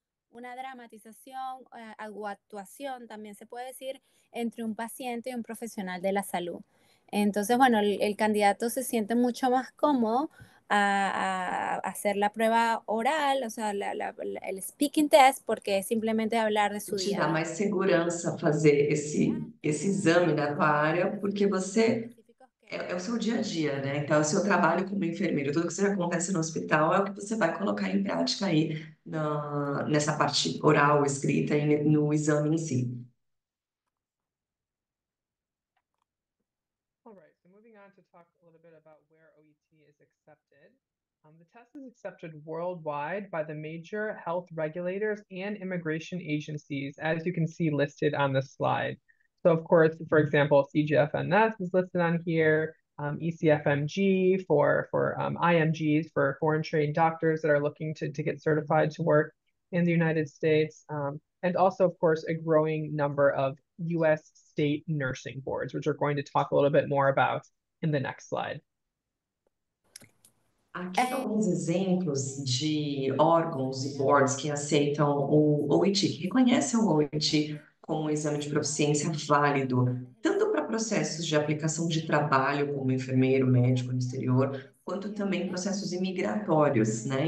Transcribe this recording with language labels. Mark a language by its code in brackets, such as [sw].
[es] Una dramatización o actuación, también se puede decir, entre un paciente y un profesional de la salud. Entonces, bueno, el candidato se siente mucho más cómodo a hacer la prueba oral, o sea, el speaking test, porque es simplemente hablar de su [pt] Te dá [es] día. [pt] mais segurança fazer esse exame na tua área, porque você é o seu dia a dia, né? Então, é o seu trabalho como enfermeiro, tudo que você acontece no hospital é o que você vai colocar em prática aí nessa parte oral, escrita e no exame em si. [en] All right, so moving on to talk a little bit about where OET is accepted. The test is accepted worldwide by the major health regulators and immigration agencies, as you can see listed on the slide. So, of course, for example, CGFNS is listed on here, ECFMG for IMGs for foreign trained doctors that are looking to get certified to work in the United States, and also, of course, a growing number of U.S. state nursing boards, which we're going to talk a little bit more about in the next slide. [pt] Aqui alguns exemplos de órgãos e boards que aceitam o OIT, que reconhecem o OIT como um exame de proficiência válido, tanto para processos de aplicação de trabalho como enfermeiro, médico no exterior, quanto também processos imigratórios, né?